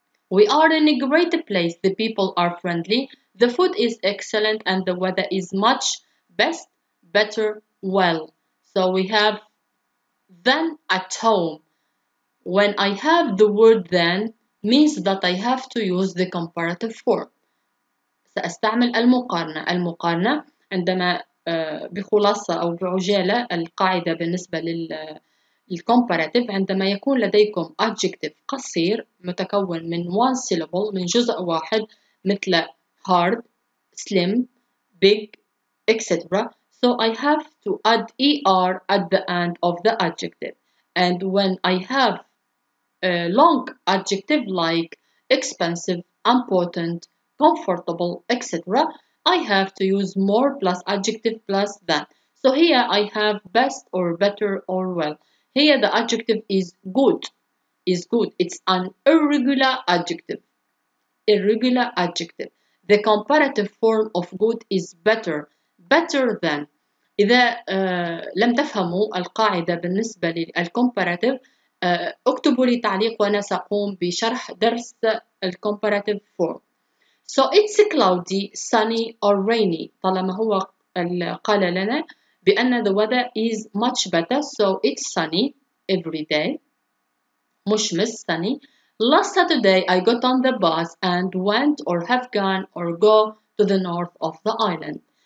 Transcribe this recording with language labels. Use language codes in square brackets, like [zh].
[en] We are in a great place. The people are friendly. The food is excellent and the weather is much best, better, well. So we have then at home. When I have the word then, means that I have to use the comparative form. [ar] سأستعمل المقارنة. المقارنة عندما بخلاصة أو بعجالة القاعدة بالنسبة للcomparative عندما يكون لديكم adjective قصير متكون من one syllable من جزء واحد مثل hard, slim, big, etc. [en] So I have to add er at the end of the adjective. And when I have a long adjective like expensive, important, comfortable, etc., I have to use more plus adjective plus than. So here I have best or better or well. Here the adjective is good. Is good. It's an irregular adjective. Irregular adjective. The comparative form of good is better. Better than. [ar] إذا لم تفهموا القاعدة بالنسبة للcomparative اكتبوا لي تعليق وأنا سأقوم بشرح درس الcomparative form. [en] So it's cloudy, sunny or rainy. [ar] طالما هو قال لنا بأن [en] the weather is much better. So it's sunny every day. مشمس sunny. Last Saturday I got on the bus and went or have gone or go to the north of the island.